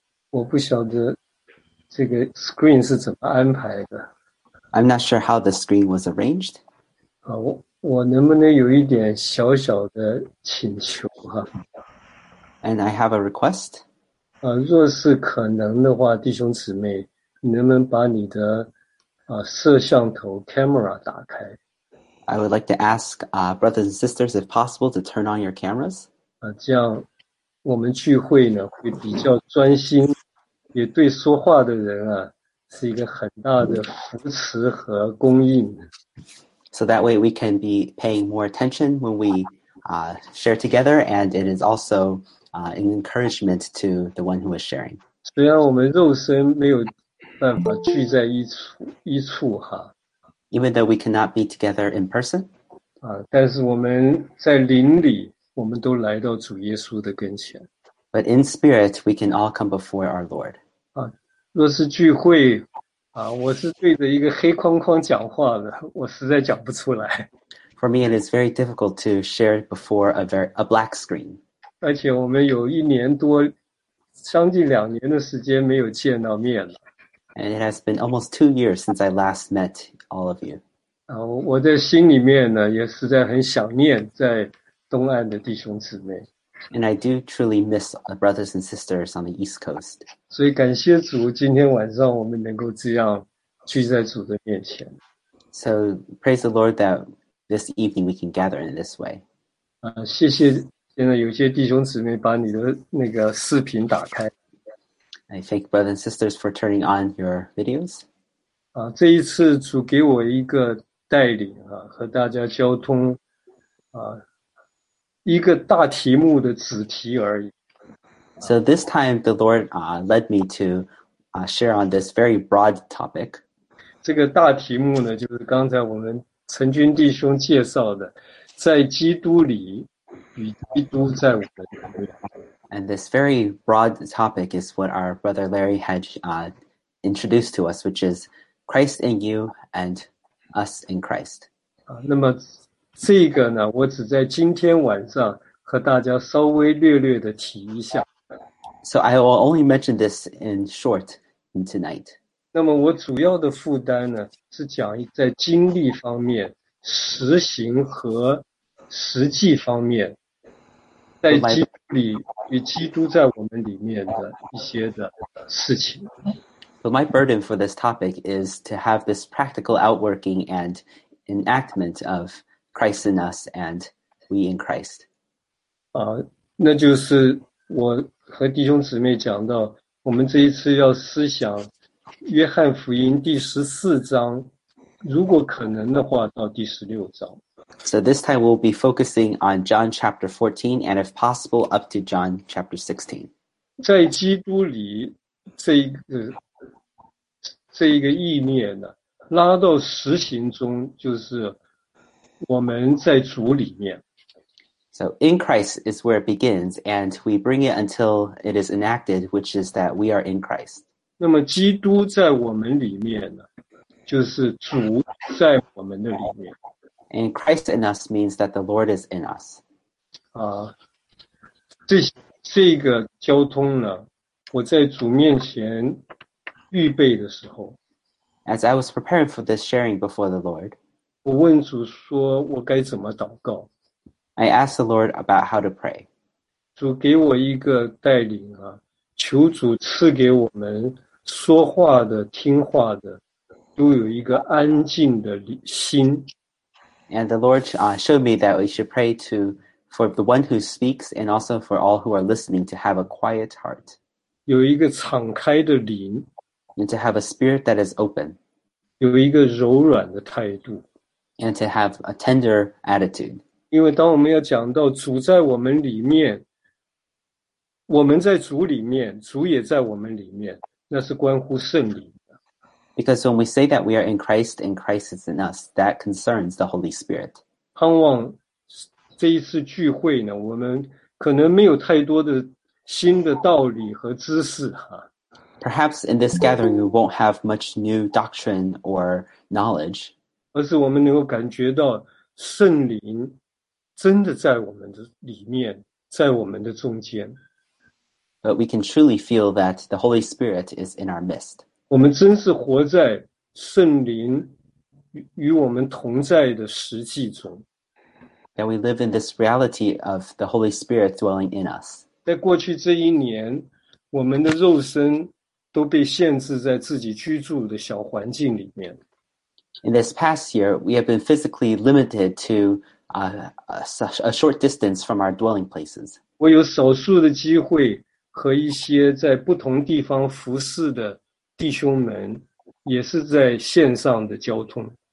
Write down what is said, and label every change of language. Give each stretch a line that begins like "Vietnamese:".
Chinese: 我不晓得这个 screen 是怎么安排的。
English: I'm not sure how the screen was arranged.
Chinese: 我能不能有一点小小的请求哈？
English: And I have a request.
Chinese: 若是可能的话，弟兄姊妹，你能不能把你的摄像头 camera 打开？
English: I would like to ask brothers and sisters, if possible, to turn on your cameras.
Chinese: 这样我们聚会呢会比较专心，也对说话的人啊是一个很大的扶持和供应。
English: So that way we can be paying more attention when we share together, and it is also an encouragement to the one who is sharing.
Chinese: 虽然我们肉身没有办法聚在一处哈。
English: Even though we cannot be together in person,
Chinese: 但是我们在灵里，我们都来到主耶稣的跟前。
English: but in spirit, we can all come before our Lord.
Chinese: 若是聚会，我是对着一个黑框框讲话的，我实在讲不出来。
English: For me, it is very difficult to share before a black screen.
Chinese: 而且我们有一年多，将近2年的时间没有见到面了。
English: And it has been almost 2 years since I last met all of you.
Chinese: 然后我在心里面呢，也实在很想念在东岸的弟兄姊妹。
English: And I do truly miss the brothers and sisters on the East Coast.
Chinese: 所以感谢主，今天晚上我们能够这样聚在主的面前。
English: So praise the Lord that this evening we can gather in this way.
Chinese: 谢谢，现在有些弟兄姊妹把你的那个视频打开。
English: I thank brothers and sisters for turning on your videos.
Chinese: 这一次主给我一个带领和大家交通，一个大题目的主题而已。
English: So this time the Lord led me to share on this very broad topic.
Chinese: 这个大题目呢，就是刚才我们陈军弟兄介绍的，在基督里与基督在我们里面。
English: And this very broad topic is what our brother Larry had introduced to us, which is Christ in you and us in Christ.
Chinese: 那么这个呢，我只在今天晚上和大家稍微略略的提一下。
English: So I will only mention this in short tonight.
Chinese: 那么我主要的负担呢，是讲在经历方面、实行和实际方面，在基督里与基督在我们里面的一些的事情。
English: But my burden for this topic is to have this practical outworking and enactment of Christ in us and we in Christ.
Chinese: 那就是我和弟兄姊妹讲到，我们这一次要思想约翰福音第14章，如果可能的话，到第16章。
English: So this time we'll be focusing on John chapter 14 and if possible up to John chapter 16.
Chinese: 在基督里这一个意念呢，拉到实行中，就是我们在主里面。
English: So in Christ is where it begins, and we bring it until it is enacted, which is that we are in Christ.
Chinese: 那么，基督在我们里面呢，就是主在我们的里面。
English: And Christ in us means that the Lord is in us.
Chinese: 这个交通呢，我在主面前预备的时候，
English: As I was preparing for this sharing before the Lord,
Chinese: 我问主说，我该怎么祷告？
English: I asked the Lord about how to pray.
Chinese: 主给我一个带领求主赐给我们说话的、听话的，都有一个安静的心。
English: And the Lord showed me that we should pray for the one who speaks and also for all who are listening to have a quiet heart
Chinese: 有一个敞开的灵，
English: and to have a spirit that is open
Chinese: 有一个柔软的态度。
English: and to have a tender attitude.
Chinese: 因为当我们要讲到主在我们里面，我们在主里面，主也在我们里面，那是关乎圣灵。
English: Because when we say that we are in Christ and Christ is in us, that concerns the Holy Spirit.
Chinese: 盼望这一次聚会呢，我们可能没有太多的新的道理和知识
English: Perhaps in this gathering, we won't have much new doctrine or knowledge.
Chinese: 而是我们能够感觉到圣灵真的在我们的里面，在我们的中间。
English: But we can truly feel that the Holy Spirit is in our midst.
Chinese: 我们真是活在圣灵与我们同在的实际中。
English: That we live in this reality of the Holy Spirit dwelling in us.
Chinese: 在过去这一年，我们的肉身都被限制在自己居住的小环境里面。
English: In this past year, we have been physically limited to a short distance from our dwelling places.
Chinese: 我有少数的机会和一些在不同地方服侍的弟兄们，也是在线上的交通。